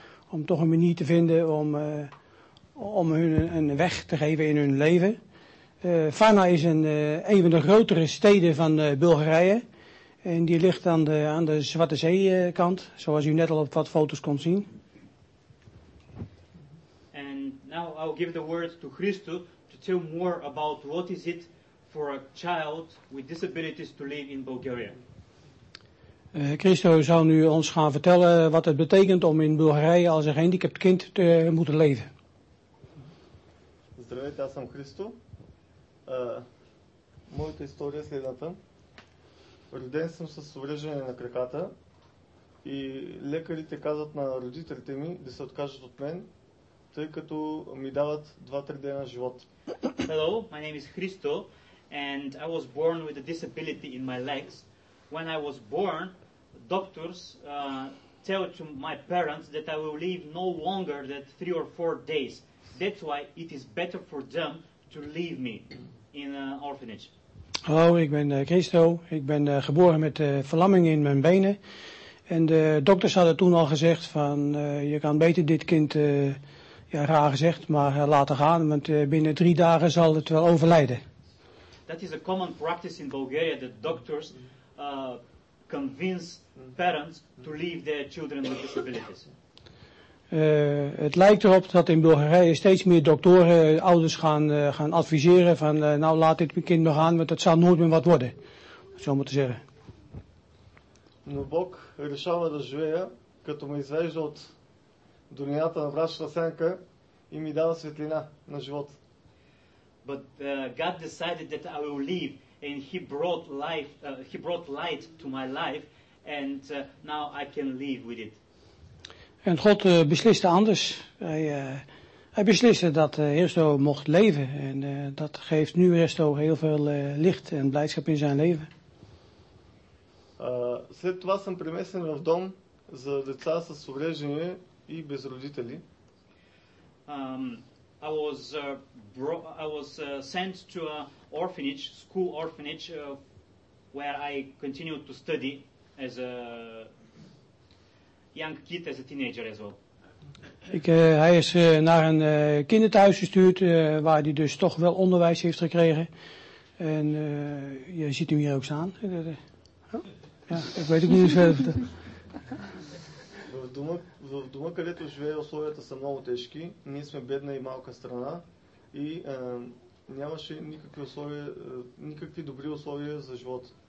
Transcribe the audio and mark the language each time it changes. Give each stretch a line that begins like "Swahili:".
Dutch: Om toch een manier te vinden om hun een weg te geven in hun leven. Varna is een van de grotere steden van Bulgarije. En die ligt aan de Zwarte Zee kant. Zoals u net al op wat foto's kon zien.
English: Now I'll give the word to Christo to tell more about what is it for a child with disabilities to live in Bulgaria.
Dutch: Christo zal nu ons gaan vertellen wat het betekent om in Bulgarije als een gehandicapt kind te moeten leven.
Bulgarian: Здравейте, аз съм Христо. Моята история е следната. Роден съм с увреждане на краката и лекарите казват на родителите ми да се откажат от мен, тъй като ми дават 2-3 дена живот.
English: Hello, my name is Christo and I was born with a disability in my legs. When I was born, doctors tell to my parents that I will live no longer than 3 or 4 days. That's why it is better for them to leave me in an orphanage.
Dutch: Hallo, ik ben Christo. Ik ben geboren met verlamming in mijn benen. En de dokters hadden toen al gezegd van je kan beter dit kind, ja raar gezegd, maar laten gaan, want binnen 3 dagen zal het wel overlijden.
English: That is a common practice in Bulgaria that doctors convince parents to leave their children with disabilities.
Dutch: Het lijkt erop dat in Bulgarije steeds meer doktoren ouders gaan adviseren van nou laat dit kind maar gaan, want het zal nooit meer wat worden. Zo moet ik zeggen.
Bulgarian: Но Бог решава да живея, като ме извежда от долината на мрачната сянка и ми дава светлина на живот.
English: But God decided that I will live and he brought life, he brought light to my life and now I can live with it.
Dutch: En God besliste anders. Hij besliste dat Risto mocht leven. En dat geeft nu Risto heel veel licht en blijdschap in zijn leven.
Bulgarian: След това съм преместен в дом за деца с увреждания и без родители.
English: I was sent to an orphanage, school orphanage, where I continued to study as a young kid, as a teenager as well.
Dutch: Hij is naar een kinderthuis gestuurd, waar hij dus toch wel onderwijs heeft gekregen. En je ziet hem hier ook staan. Ja, ik weet ook niet hoe verder.
Bulgarian: В дома, където живее, условията са много тежки. Ние сме бедна и малка страна и нямаше никакви добри условия за живот.